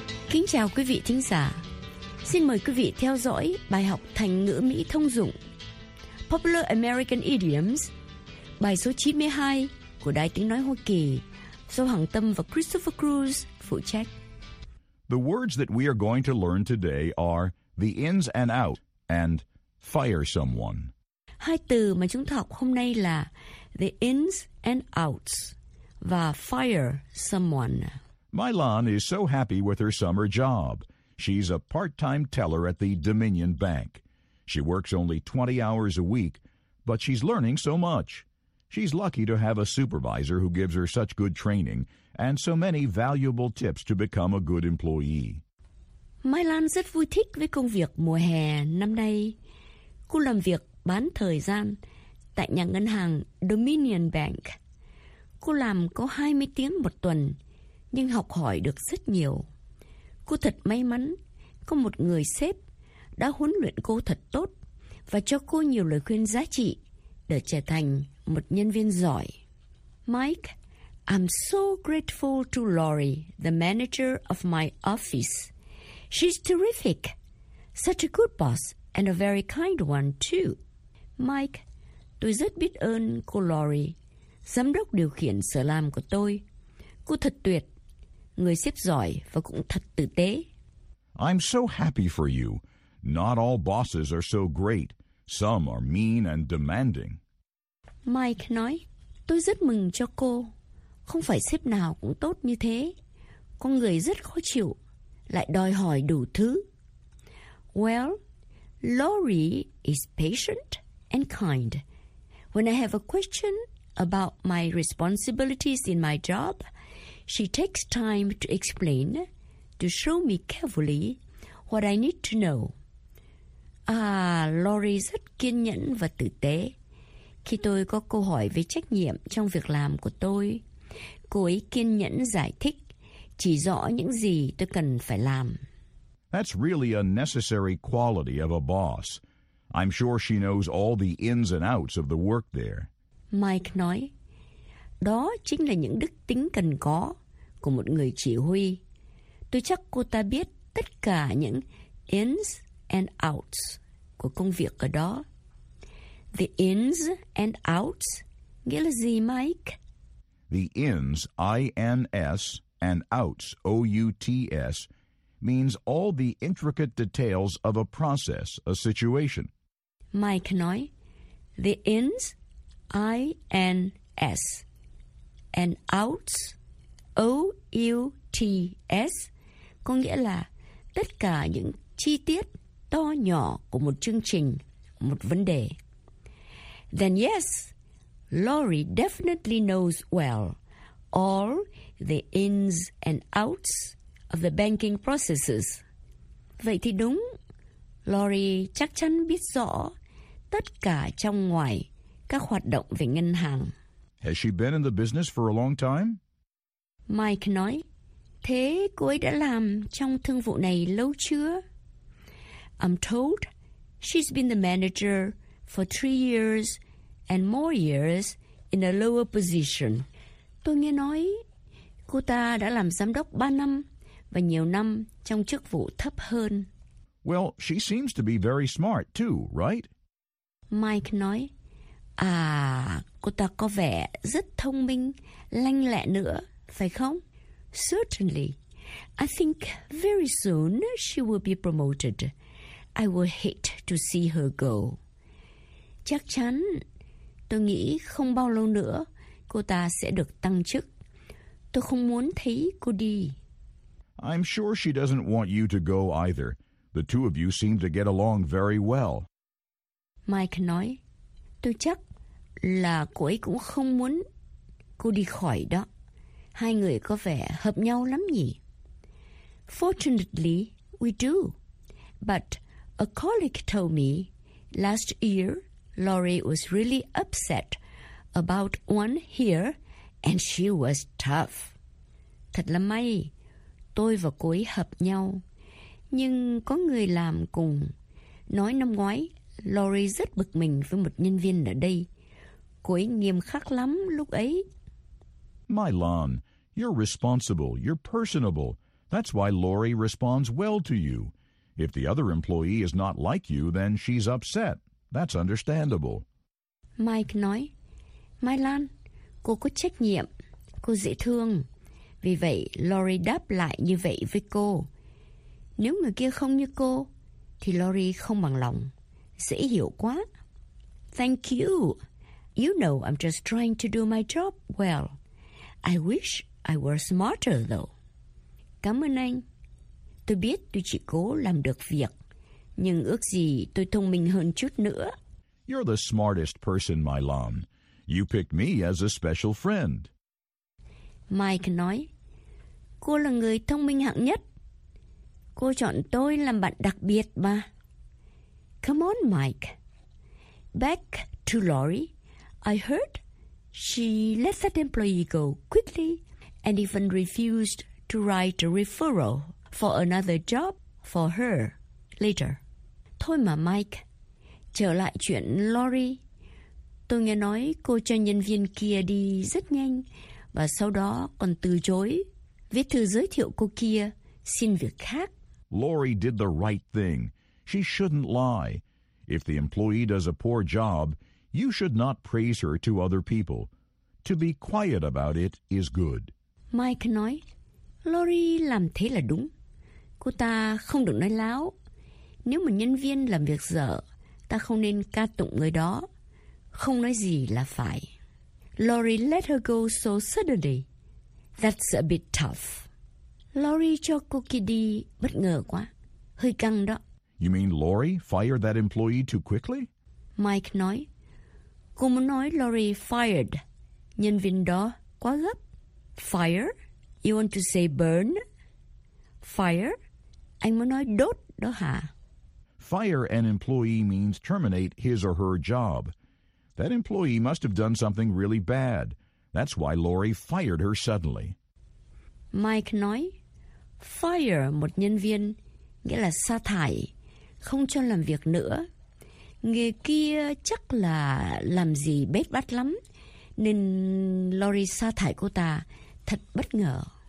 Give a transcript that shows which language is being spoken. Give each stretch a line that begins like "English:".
Vietnamese: Kính chào quý vị thính giả. Xin mời quý vị theo dõi bài học thành ngữ Mỹ thông dụng
English: Popular American Idioms,
Vietnamese: bài số 92 của Đài Tiếng Nói Hoa Kỳ do Hằng Tâm và Christopher Cruz phụ trách.
English: The words that we are going to learn today are the ins and out and fire someone.
Vietnamese: Hai từ mà chúng ta học hôm nay là
English: the ins and outs
Vietnamese: và
English: fire someone. Mylan is so happy with her summer job. She's a part-time teller at the Dominion Bank. She works only 20 hours a week, but she's learning so much. She's lucky to have a supervisor who gives her such good training and so many valuable tips to become a good employee.
Vietnamese: Mylan rất vui thích với công việc mùa hè năm nay. Cô làm việc bán thời gian tại nhà ngân hàng Dominion Bank. Cô làm có 20 tiếng một tuần, nhưng học hỏi được rất nhiều. Cô thật may mắn có một người sếp đã huấn luyện cô thật tốt và cho cô nhiều lời khuyên giá trị để trở thành một nhân viên giỏi.
English: Mike, I'm so grateful to Lori, the manager of my office. She's terrific. Such a good boss and a very kind one too.
Vietnamese: Mike, tôi rất biết ơn cô Lori, giám đốc điều khiển sở làm của tôi. Cô thật tuyệt. Người sếp giỏi và cũng thật tử tế.
English: I'm so happy for you. Not all bosses are so great. Some are mean and demanding.
Vietnamese: Mike nói, tôi rất mừng cho cô. Không phải sếp nào cũng tốt như thế. Con người rất khó chịu, lại đòi hỏi đủ thứ.
English: Well, Lori is patient and kind. When I have a question about my responsibilities in my job, she takes time to explain, to show me carefully what I need to know.
Vietnamese: Lori rất kiên nhẫn và tử tế. Khi tôi có câu hỏi về trách nhiệm trong việc làm của tôi, cô ấy kiên nhẫn giải thích, chỉ rõ những gì tôi cần phải làm.
English: That's really a necessary quality of a boss. I'm sure she knows all the ins and outs of the work there.
Vietnamese: Mike nói, đó chính là những đức tính cần có của một người chỉ huy. Tôi chắc cô ta biết tất cả những
English: ins and outs
Vietnamese: của công việc ở đó.
English: The ins and outs
Vietnamese: nghĩa là gì, Mike?
English: The ins, I-N-S, and outs, O-U-T-S, means all the intricate details of a process, a situation.
Vietnamese: Mike nói,
English: the ins, I-N-S. And outs, O-U-T-S,
Vietnamese: có nghĩa là tất cả những chi tiết to nhỏ của một chương trình, một vấn đề.
English: Then yes, Lori definitely knows well all the ins and outs of the banking processes.
Vietnamese: Vậy thì đúng, Lori chắc chắn biết rõ tất cả trong ngoài các hoạt động về ngân hàng.
English: Has she been in the business for a long time?
Vietnamese: Mike nói, thế cô ấy đã làm trong thương vụ này lâu chưa?
English: I'm told she's been the manager for 3 years and more years in a lower position.
Vietnamese: Tôi nghe nói cô ta đã làm giám đốc 3 năm và nhiều năm trong chức vụ thấp hơn.
English: Well, she seems to be very smart too, right?
Vietnamese: Mike nói, cô ta có vẻ rất thông minh, lanh lẹ nữa, phải không?
English: Certainly. I think very soon she will be promoted. I would hate to see her go.
Vietnamese: Chắc chắn, tôi nghĩ không bao lâu nữa cô ta sẽ được tăng chức. Tôi không muốn thấy cô đi.
English: I'm sure she doesn't want you to go either. The two of you seem to get along very well.
Vietnamese: Mike nói, tôi chắc là cô ấy cũng không muốn cô đi khỏi đó. Hai người có vẻ hợp nhau lắm nhỉ?
English: Fortunately, we do. But a colleague told me last year Laurie was really upset about one here and she was tough.
Vietnamese: Thật là may, tôi và cô ấy hợp nhau. Nhưng có người làm cùng. Nói năm ngoái, Laurie rất bực mình với một nhân viên ở đây. Cô ấy nghiêm khắc lắm lúc ấy.
English: My Lan, you're responsible, you're personable. That's why Laurie responds well to you. If the other employee is not like you, then she's upset. That's understandable.
Vietnamese: Mike nói, My Lan, cô có trách nhiệm, cô dễ thương. Vì vậy, Laurie đáp lại như vậy với cô. Nếu người kia không như cô, thì Laurie không bằng lòng. Dễ hiểu quá.
English: Thank you. You know I'm just trying to do my job well. I wish I were smarter, though.
Vietnamese: Cảm ơn anh. Tôi biết tôi chỉ cố làm được việc, nhưng ước gì tôi thông minh hơn chút nữa.
English: You're the smartest person, Milan. You picked me as a special friend.
Vietnamese: Mike nói, cô là người thông minh hạng nhất. Cô chọn tôi làm bạn đặc biệt mà.
English: Come on, Mike. Back to Laurie. I heard she let that employee go quickly and even refused to write a referral for another job for her later.
Vietnamese: Thôi mà Mike, trở lại chuyện Laurie. Tôi nghe nói cô cho nhân viên kia đi rất nhanh và sau đó còn từ chối viết thư giới thiệu cô kia xin việc khác.
English: Laurie did the right thing. She shouldn't lie. If the employee does a poor job, you should not praise her to other people. To be quiet about it is good.
Vietnamese: Mike nói, Laurie làm thế là đúng. Cô ta không được nói láo. Nếu một nhân viên làm việc dở, ta không nên ca tụng người đó. Không nói gì là phải.
English: Laurie let her go so suddenly. That's a bit tough.
Vietnamese: Laurie cho cô kia đi bất ngờ quá. Hơi căng đó.
English: You mean Laurie fired that employee too quickly?
Vietnamese: Mike nói, cô muốn nói Laurie fired nhân viên đó quá gấp.
English: Fire? You want to say burn? Fire?
Vietnamese: Anh muốn nói đốt đó hả?
English: Fire an employee means terminate his or her job. That employee must have done something really bad. That's why Laurie fired her suddenly.
Vietnamese: Mike nói, fire một nhân viên nghĩa là sa thải, không cho làm việc nữa. Người kia chắc là làm gì bết bát lắm, nên Laurie sa thải cô ta thật bất ngờ.